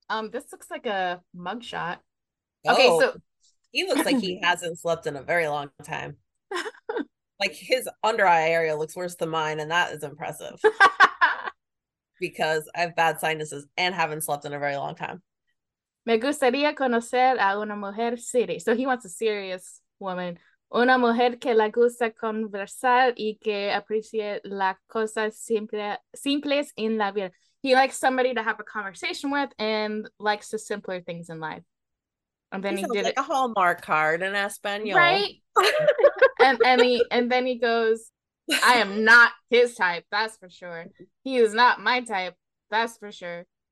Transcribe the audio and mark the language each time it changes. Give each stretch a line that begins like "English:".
English: This looks like a mugshot. Okay, oh, so he looks like he hasn't slept in a very long time. Like his under eye area looks worse than mine, and that is impressive. Because I have bad sinuses and haven't slept in a very long time.
Spanish: Me gustaría conocer a una mujer seria.
English: So he wants a serious woman.
Spanish: Una mujer que le gusta conversar y que aprecie las cosas simples en la vida.
English: He likes somebody to have a conversation with and likes the simpler things in life. And then he did like it. A Hallmark card in Espanol. Right? and then he goes, I am not his type, that's for sure. He is not my type, that's for sure.